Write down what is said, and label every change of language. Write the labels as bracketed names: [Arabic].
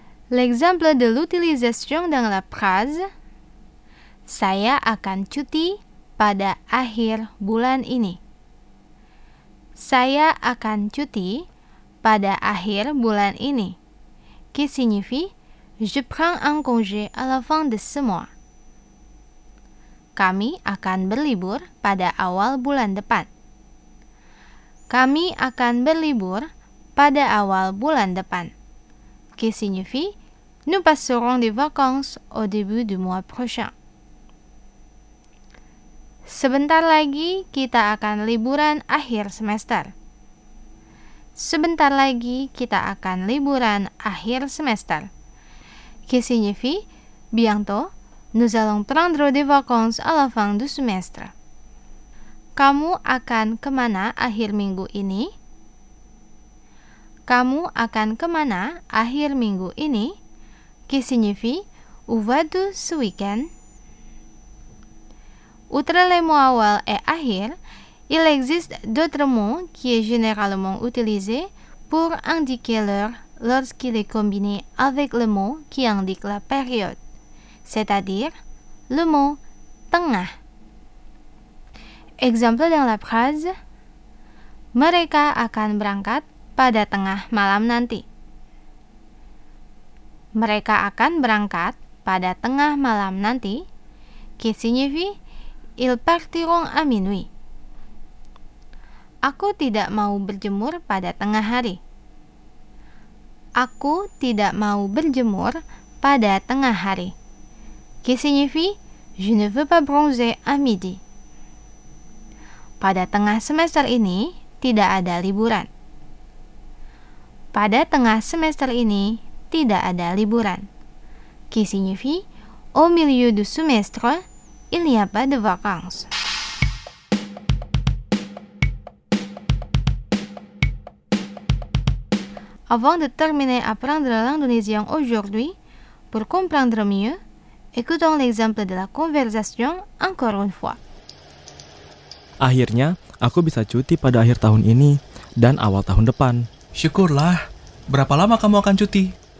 [French] L'exemple de l'utilisation dans la phrase [Indonesian] saya akan cuti pada akhir bulan ini. Saya akan cuti pada akhir bulan ini. [French] Qui signifie je prends un congé à la fin de ce mois. [Indonesian] Kami akan berlibur pada awal bulan depan. Kami akan berlibur pada awal bulan depan. [French] Qui signifie nous passerons des vacances au début du mois prochain. [Indonesian] Sebentar lagi kita akan liburan akhir semester. Sebentar lagi kita akan liburan akhir semester. [French] Qui signifie bientôt nous allons prendre des vacances à la fin du semestre. [Indonesian] Kamu akan kemana akhir minggu ini? Kamu akan kemana akhir minggu ini? [French] Qui signifie où vas-tu ce week-end? Outre les mots awal et ahir, il existe d'autres mots qui sont généralement utilisés pour indiquer l'heure lorsqu'il est combiné avec le mot qui indique la période, c'est-à-dire le mot tengah. Exemple dans la phrase [Indonesian] mereka akan berangkat pada tengah malam nanti. Mereka akan berangkat pada tengah malam nanti. [French] Qui signifie ils partiront à minuit. [Indonesian] Aku tidak mau berjemur pada tengah hari. Aku tidak mau berjemur pada tengah hari. [French] Qui signifie je ne veux pas bronzer à midi. [Indonesian] Pada tengah semester ini tidak ada liburan. Pada tengah semester ini tidak ada liburan. [French] Qui signifie au milieu du semestre il n'y a pas de vacances. Avant de terminer apprendre l'indonésien aujourd'hui, pour comprendre mieux, écoutons l'exemple de la conversation encore une fois. [Indonesian] Akhirnya, aku bisa cuti pada akhir tahun ini dan awal tahun depan. Syukurlah. Berapa lama kamu akan cuti?